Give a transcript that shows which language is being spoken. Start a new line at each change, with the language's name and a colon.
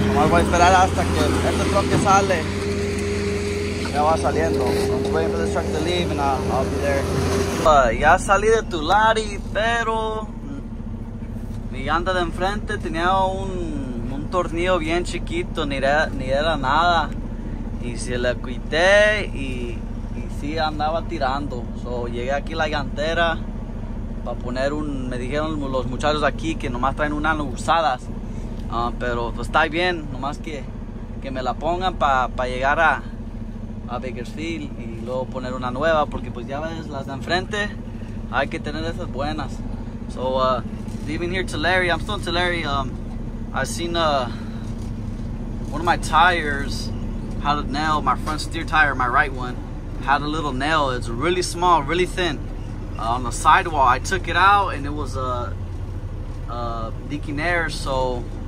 Spanish: Voy a esperar hasta que este truck sale. Ya va saliendo.
English: I'm waiting for this truck to leave and I'll be there.
Spanish: Ya salí de Tulari, pero mi llanta de enfrente tenía un tornillo bien chiquito, ni era nada. Y se le quité y sí andaba tirando. So, llegué aquí a la llantera para poner un. Me dijeron los muchachos aquí que nomás traen una usada. Pero pues, está bien, nomás que me la pongan para pa llegar a Bakersfield y luego poner una nueva, porque pues ya ves, las de enfrente, hay que tener esas buenas.
English: So, leaving here to Larry, I'm still in Tulare. I've seen one of my tires had a nail, my front steer tire, my right one, had a little nail. It's really small, really thin on the sidewall. I took it out and it was a leaking air, so.